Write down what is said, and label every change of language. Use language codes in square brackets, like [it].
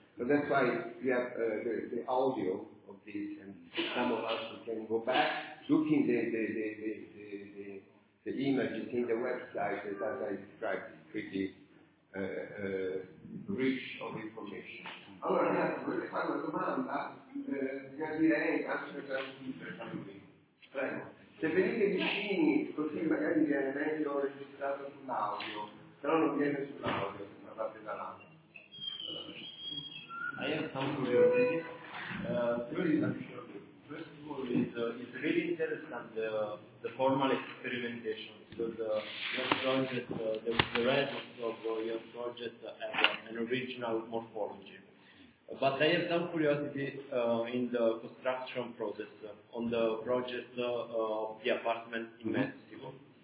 [en] So that's why we have the audio of this, and some of us can go back, looking the images in the website, as I described, it's pretty rich of information. [it] Allora, adesso vorrei fare una domanda, direi anche per Peter, prego. Se venite vicini, così magari viene meglio registrato sull'audio, però non viene sull'audio, se parlate da là. [en] I have some curiosities. First of all, it's really interesting the formal experimentation, because your project, the rest of your project has an original morphology. But I have some curiosity in the construction process on the project of the apartment in Mexico.